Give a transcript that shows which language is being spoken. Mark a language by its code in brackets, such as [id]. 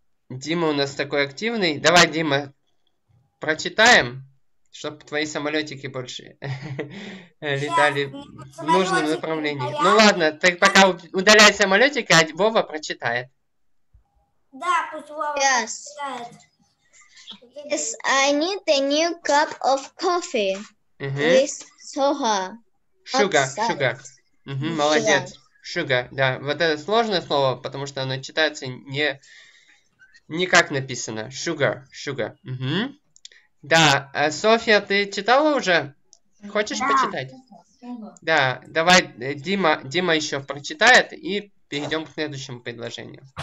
[ru] Дима у нас такой активный. Давай, Дима, прочитаем. Чтоб твои самолетики больше летали в нужном направлении. Ну ладно, так пока удаляй самолетики, а Вова прочитает. Да, пусть Вова прочитает. [en] Yes, I need a new cup of coffee. With soha. Sugar, sugar. [ru] Молодец. [en] Sugar, [ru] да. Вот это сложное слово, потому что оно читается не... Никак написано. [en] Sugar, sugar. [ru] Да, Софья, ты читала уже? Хочешь почитать? Да, давай, Дима еще прочитает, и перейдем к следующему предложению.